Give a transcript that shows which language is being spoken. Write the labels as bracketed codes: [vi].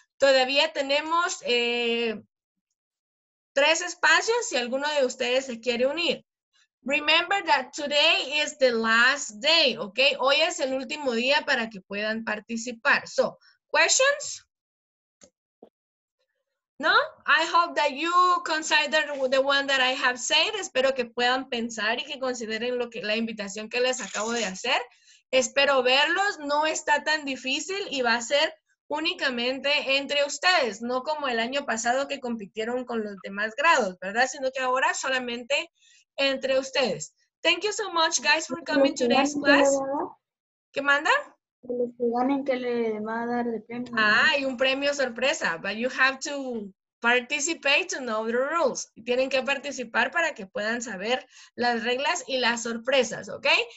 [es] Todavía tenemos 3 espacios si alguno de ustedes se quiere unir. [en] Remember that today is the last day, ¿ok? [es] Hoy es el último día para que puedan participar. [en] So, questions? No? I hope that you consider the one that I have said. [es] Espero que puedan pensar y que consideren lo que, la invitación que les acabo de hacer. Espero verlos. No está tan difícil y va a ser únicamente entre ustedes. No como el año pasado que compitieron con los demás grados, ¿verdad? Sino que ahora solamente... entre ustedes. [en] Thank you so much, guys, for coming to today's class. [es] ¿Qué manda? Que ganen, que le va a dar de premio. Ah, hay un premio sorpresa. [en] But you have to participate to know the rules. [es] Tienen que participar para que puedan saber las reglas y las sorpresas, ¿ok?